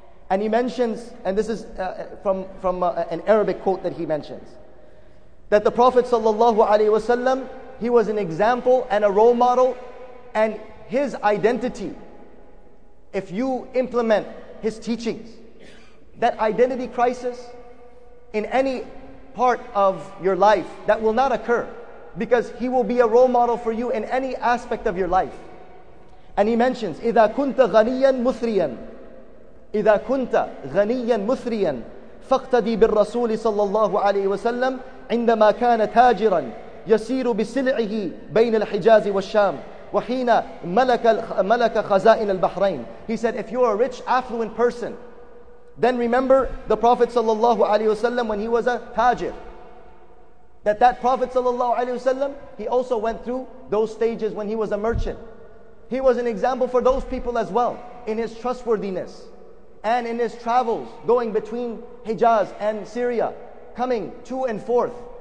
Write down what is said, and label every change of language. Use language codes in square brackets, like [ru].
[en] And he mentions, and this is from an Arabic quote that he mentions, that the Prophet sallallahu alaihi wasallam, he was an example and a role model, and his identity, if you implement his teachings, that identity crisis in any part of your life, that will not occur, because he will be a role model for you in any aspect of your life. And he mentions, [ar] إِذَا كُنْتَ غَنِيًّا مُثْرِيًا إِذَا كُنْتَ غَنِيًّا مُثْرِيًا فَاقْتَدِي بِالرَّسُولِ صَلَّى اللَّهُ عَلَيْهِ وَسَلَّمْ عِنْدَمَا كَانَ تَاجِرًا يَسِيرُ بِسِلْعِهِ بَيْنَ الْحِجَازِ وَالشَّامِ وَحِينَ مَلَكَ خَزَائِنَ الْبَحْرَيْنِ. [en] He said, if you are a rich, affluent person, then remember the Prophet sallallahu alaihi wasallam when he was a tajir. That Prophet sallallahu alaihi wasallam, he also went through those stages when he was a merchant. He was an example for those people as well in his trustworthiness and in his travels going between Hijaz and Syria, coming to and forth.